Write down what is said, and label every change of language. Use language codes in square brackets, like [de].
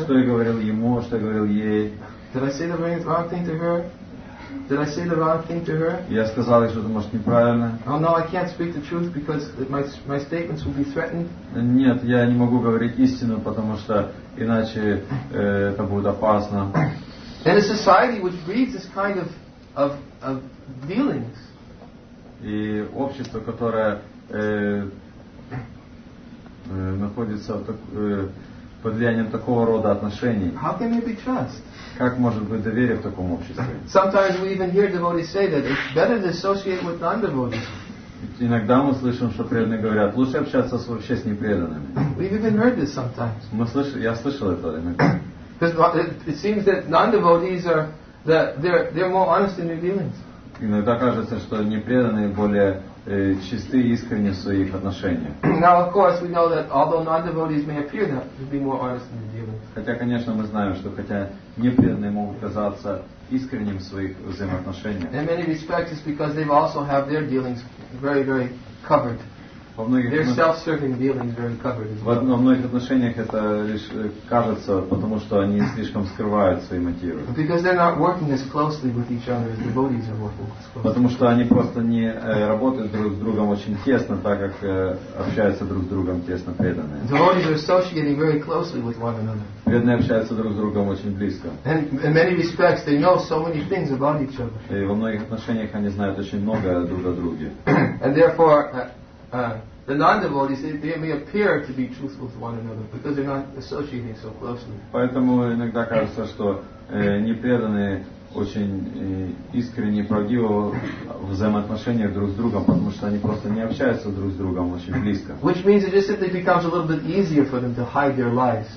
[ru] Что я говорил ему, что я говорил ей. [en] Did I say the wrong thing to her? Did I say the wrong thing to her? [ru] Я сказал ей что-то, может, неправильно. [en] Oh no, I can't speak the truth because my statements will be threatened. [ru] Нет, я не могу говорить истину, потому что иначе это будет опасно. [en] In a society which breeds this kind of dealings. [ru] И общество, которое находится под влиянием такого рода отношений. [en] How can there be trust? [ru] Как может быть доверие в таком обществе? [en] Sometimes we even hear devotees say that it's better to associate with non-devotees. [ru] Иногда мы слышим, что преданные говорят, лучше общаться вообще с непреданными. [en] We've even heard this sometimes. [ru] Я слышал это иногда. [en] Because it seems that non-devotees are that they're more honest in their dealings. [ru] Иногда кажется, что непреданные более чисты и искренне в своих отношениях. [en] Now, of course, we know that although non-devotees may appear to be more honest in their dealings. [ru] Хотя, конечно, мы знаем, что хотя непреданные могут казаться искренним в своих взаимоотношениях. [en] In many respects, it's because they also have their dealings very, very covered. Their self-serving dealings very covered. [ru] Во многих отношениях это лишь кажется, потому что они слишком скрывают свои мотивы. [en] Because they're not working as closely with each other as devotees are working. [ru] Потому что они просто не работают друг с другом очень тесно, так как общаются друг с другом тесно преданные. [en] Devotees are associating very closely with one another. [ru] Преданные общаются друг с другом очень близко. [en] And in many respects, they know so many things about each other. [ru] И во многих отношениях они знают очень много друг о друге. [en] And therefore, the non-devotees, they may appear to be truthful to one another because they're not associating so closely. [ru] Поэтому иногда кажется, что непреданные очень искренне правдиво взаимоотношениях друг с другом, потому что они просто не общаются друг с другом очень близко. [en] Which means it just simply becomes a little bit easier for them to hide their lies.